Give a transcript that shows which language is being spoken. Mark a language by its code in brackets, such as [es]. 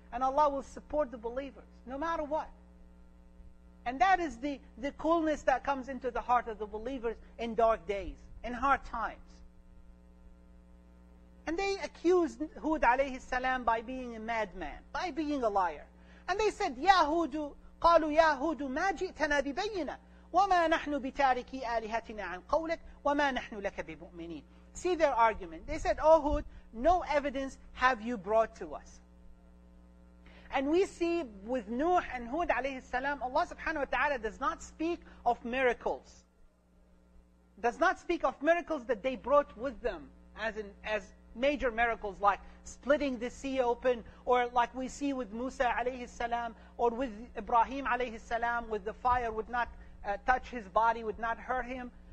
[en] And Allah will support the believers, no matter what. And that is the coolness that comes into the heart of the believers in dark days, in hard times. And they accused Hud alayhi salam by being a madman, by being a liar. And they said, [ar] Ya Hudu, قالوا يا هود ما جئتنا ببينة وما نحن بتاركي آلهتنا عن قولك وما نحن لك بمؤمنين. [en] See their argument. They said, Oh Hud, no evidence have you brought to us. And we see with Nuh and Hud alayhi salam, Allah subhanahu wa ta'ala does not speak of miracles. Does not speak of miracles that they brought with them as major miracles like splitting the sea open, or like we see with Musa alayhi salam, or with Ibrahim alayhi salam, with the fire would not touch his body, would not hurt him.